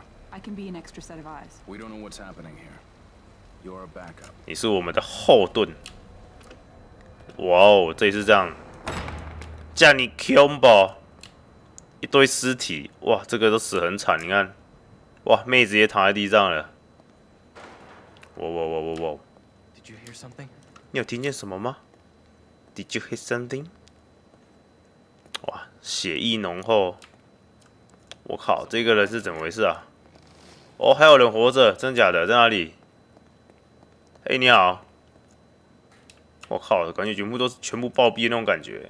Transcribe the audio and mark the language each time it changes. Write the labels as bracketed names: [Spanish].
[English] I can be an extra set of eyes. We don't know what's happening here. You're a backup. [Chinese] 你是我们的后盾。哇哦，这里是这样，叫你 combo 一堆尸体，哇，这个都死很惨。你看，哇，妹子也躺在地上了。 [English] 哇哇哇哇哇 ！Did you hear something? [Chinese] 你有听见什么吗 [English] ？Did you hear something? [Chinese] 哇，血意浓厚。我靠，这个人是怎么回事啊？哦，还有人活着，真的假的？在哪里？嘿，你好！我靠，感觉全部暴毙的那种感觉。